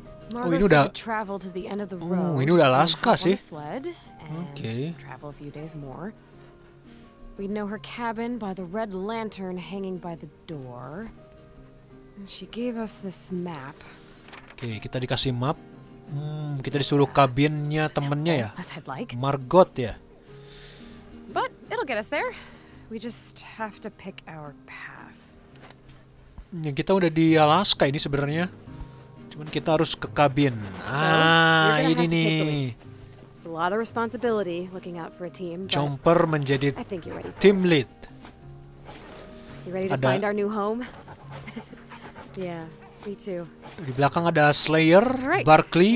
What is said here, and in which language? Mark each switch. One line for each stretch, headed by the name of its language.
Indonesian: Ini udah
English: travel to the end of the road.
Indonesian: Ini udah Alaska sih.
English: Okay. Travel a few days more. We know her cabin by the red lantern hanging by the door. And she gave us this map.
Indonesian: Okay, kita dikasih map. Kita disuruh kabinnya temennya ya. Margot ya.
English: But it'll get us there. We just have to pick our path.
Indonesian: Ya, kita udah di Alaska ini sebenarnya. Cuman kita harus ke kabin. Ini nih.
English: It's a lot of responsibility looking out for a team.
Indonesian: Chomper menjadi team lead.
English: You ready to find our new home? Yeah, me too.
Indonesian: Di belakang ada Slayer, right. Barkley,